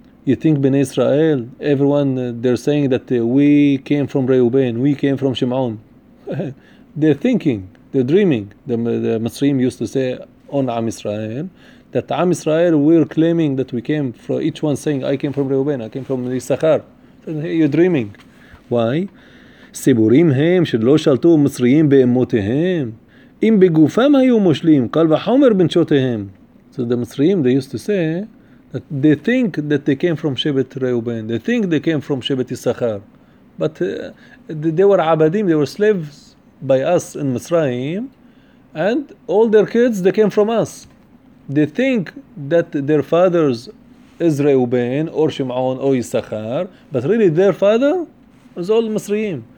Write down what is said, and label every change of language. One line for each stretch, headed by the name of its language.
English: You think Bnei Israel, everyone, they're saying that we came from Reuben, we came from Shimon. They're thinking, they're dreaming. The Masrim used to say on Am Israel, that Am Israel, we're claiming that we came from, each one saying, I came from Reuben, I came from Issachar. You're dreaming. Why?
Hebrew: סיבורים הם שלא שלטו מצריים באמותיהם אם בגופם היו מושלים קל וחומר בנשותיהם.
English: So the מצריים, they used to say that they think that they came from שבט ראובן, they think they came from שבט יששכר, but they were עבדים, they were slaves by us in מצרים, and all their kids, they came from us. They think that their fathers is ראובן or שמעון or יששכר, but really their father is all מצריים.